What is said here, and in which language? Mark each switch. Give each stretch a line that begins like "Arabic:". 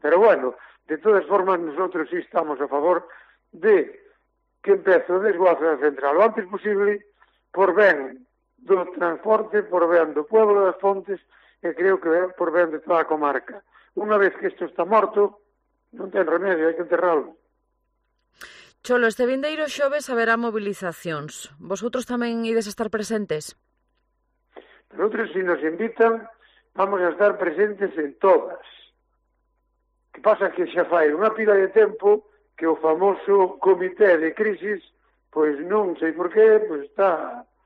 Galician: Pero, bueno, de todas formas, nosotros sí estamos a favor de que empece o desguace da central o antes posible por ben do transporte, por ben do pueblo das Pontes e creo que por ben de toda a comarca.
Spanish: Una vez que esto está
Galician: morto, non ten remedio, hai que enterrarlo. Cholo, este vindeiro xoves haberá movilizacións. Vosotros tamén ides a estar presentes?
Spanish: Nosotros, si nos invitan, vamos a estar presentes en todas.
Galician: Que pasa que xa fai unha pila de tempo que o famoso comité de crisis, pois non sei por qué, pois está...